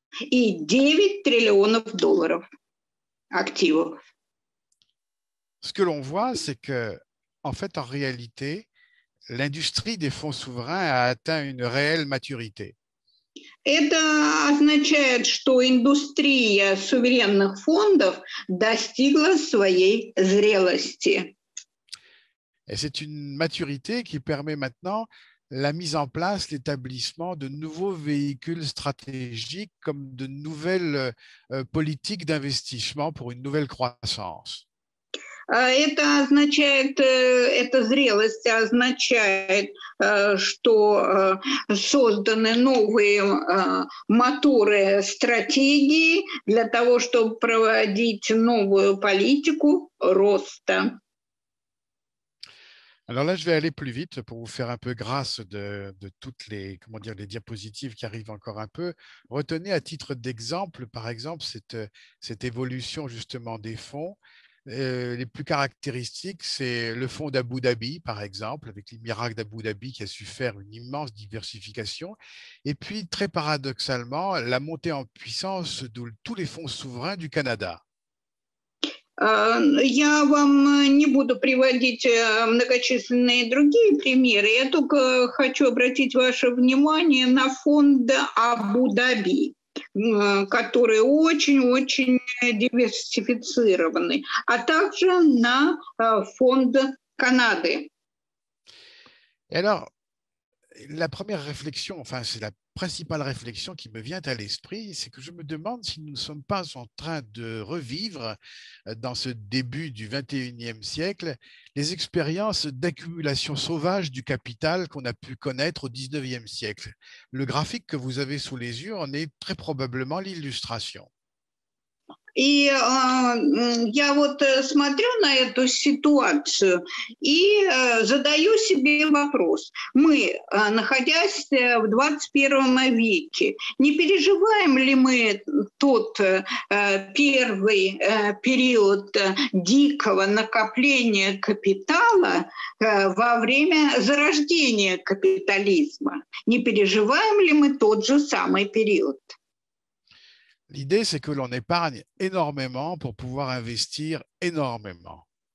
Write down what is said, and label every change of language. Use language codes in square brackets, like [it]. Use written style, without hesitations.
[ru] И 9 триллионов долларов активов. [fr] Ce que l'on voit, c'est que, en fait, en réalité, l'industrie des fonds souverains a atteint une réelle maturité. [ru] Это означает, что индустрия суверенных фондов достигла своей зрелости. [fr] Et c'est une maturité qui permet maintenant la mise en place, l'établissement de nouveaux véhicules stratégiques comme de nouvelles politiques d'investissement pour une nouvelle croissance. [ru] Это означает, эта зрелость означает, что созданы новые моторы стратегии для того, чтобы проводить новую политику роста. [fr] Alors là, je vais aller plus vite pour vous faire un peu grâce de toutes les, comment dire, les diapositives qui arrivent encore un peu. Retenez à titre d'exemple, par exemple, cette évolution justement des fonds. Les plus caractéristiques, c'est le fonds d'Abu Dhabi, par exemple, avec l'émirat d'Abu Dhabi qui a su faire une immense diversification. Et puis, très paradoxalement, la montée en puissance de tous les fonds souverains du Canada. [ru] Я вам не буду приводить многочисленные другие примеры. Я только хочу обратить ваше внимание на фонд Абу-Даби, который очень-очень диверсифицированный, а также на фонд Канады. [fr] Alors, la première réflexion, enfin, c'est la principale réflexion qui me vient à l'esprit, c'est que je me demande si nous ne sommes pas en train de revivre, dans ce début du XXIe siècle, les expériences d'accumulation sauvage du capital qu'on a pu connaître au XIXe siècle. Le graphique que vous avez sous les yeux en est très probablement l'illustration. [ru] И я вот смотрю на эту ситуацию и задаю себе вопрос. Мы, находясь в 21 веке, не переживаем ли мы тот первый период дикого накопления капитала во время зарождения капитализма? Не переживаем ли мы тот же самый период? [fr] L'idée, c'est que l'on épargne énormément pour pouvoir investir énormément.